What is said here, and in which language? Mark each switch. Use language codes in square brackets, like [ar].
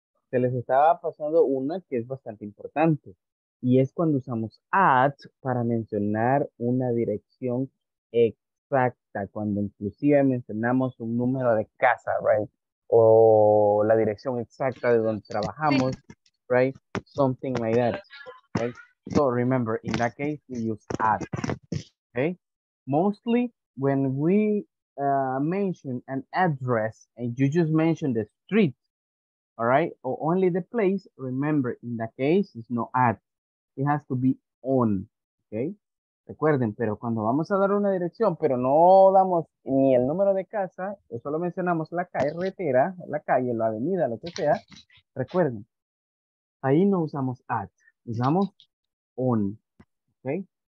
[es] Se les estaba pasando una que es bastante importante. Y es cuando usamos at para mencionar una dirección exacta. Cuando inclusive mencionamos un número de casa, right? O la dirección exacta de donde trabajamos, right? [en] Something like that, right? So remember, in that case, we use at, okay? Mostly, when we mention an address and you just mention the street, all right? Or only the place, remember, in that case, it's not at. It has to be on, okay? [es] Recuerden, pero cuando vamos a dar una dirección, pero no damos ni el número de casa, o solo mencionamos la carretera, la calle, la avenida, lo que sea, recuerden, ahí no usamos at, usamos on, okay?